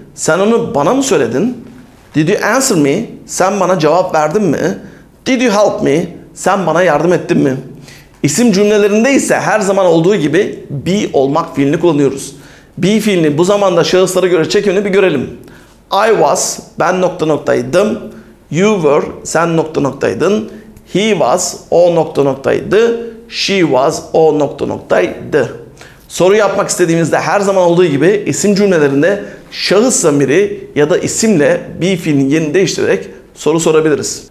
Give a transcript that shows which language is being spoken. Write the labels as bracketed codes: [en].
[tr] Sen onu bana mı söyledin? [en] Did you answer me? [tr] Sen bana cevap verdin mi? [en] Did you help me? [tr] Sen bana yardım ettin mi? İsim cümlelerinde ise her zaman olduğu gibi be olmak fiilini kullanıyoruz. Be fiilini bu zamanda şahıslara göre çekimini bir görelim. [en] I was, [tr] ben nokta noktaydım. [en] You were, [tr] sen nokta noktaydın. [en] He was, [tr] o nokta noktaydı. [en] She was, [tr] o nokta noktaydı. Soru yapmak istediğimizde her zaman olduğu gibi isim cümlelerinde şahıs zamiri ya da isimle be fiilinin yerini değiştirerek soru sorabiliriz.